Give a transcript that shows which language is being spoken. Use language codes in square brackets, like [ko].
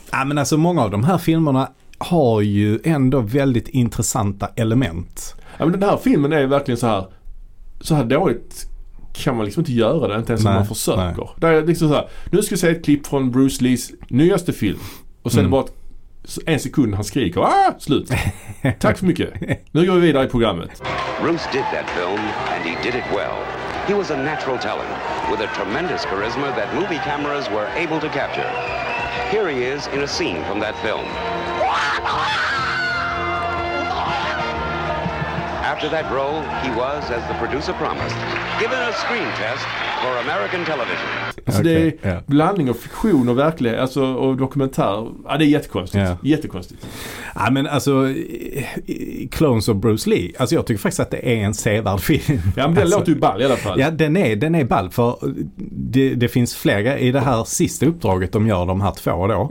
[sv] Ja, men alltså många av de här filmerna har ju ändå väldigt intressanta element. Ja, men den här filmen är verkligen så här dåligt kan man liksom inte göra det, inte ens om man försöker. Nej. Där är liksom så här, nu ska vi se ett klipp från Bruce Lees nyaste film. Och sen är det bara ett en sekund han skriker, slut. Tack så mycket. Nu går vi vidare i programmet. [en] Ruth did that film and he did it well. He was a natural talent with a tremendous charisma that movie cameras were able to capture. Here he is in a scene from that film. After that role, he was, as the producer promised, given a screen test for American television. [sv] Så det är blandning av fiktion och verklighet, alltså, och dokumentär. Ja, det är jättekonstigt. Yeah. Jättekonstigt. Ja, men alltså Clones of Bruce Lee. Alltså jag tycker faktiskt att det är en sevärd film. Ja, men den alltså, låter ju ball i alla fall. Ja, den är ball. För det finns flera i det här sista uppdraget de gör, de här två då.